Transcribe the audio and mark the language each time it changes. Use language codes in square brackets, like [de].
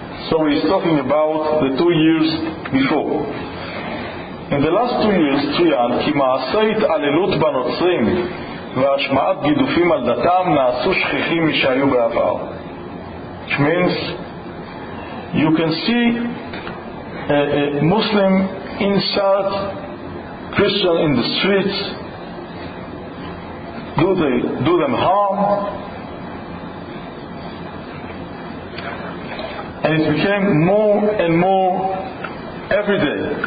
[en] So he's talking about the 2 years before. In the last 2 years, [he] צויין, כי מעשית עלילות בנוצרים והשמעת גידופים על דתם נעשו שכיחים משהיו בעבר. [en] Which means, you can see a Muslim insult Christian in the streets, do them harm, and it became more and more every day.